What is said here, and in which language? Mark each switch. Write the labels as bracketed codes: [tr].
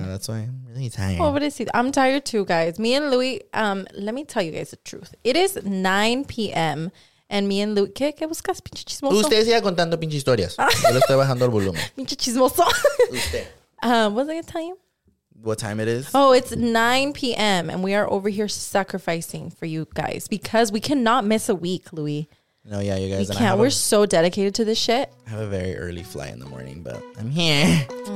[en] Yeah, that's why I'm really tired. Oh, but I'm tired too, guys. Me and Louis, let me tell you guys the truth. It is 9 p.m. [es] And me and Louis, ¿qué buscas, pinche chismoso? Usted sigue contando pinche historias. Yo le estoy bajando el volumen. Pinche chismoso. Usted. [en] What was I going to tell you? What time it is? Oh, it's 9 p.m. And we are over here sacrificing for you guys because we cannot miss a week, Louis. No, yeah, you guys. We can't. We're so dedicated to this shit. I have a very early fly in the morning, but I'm here.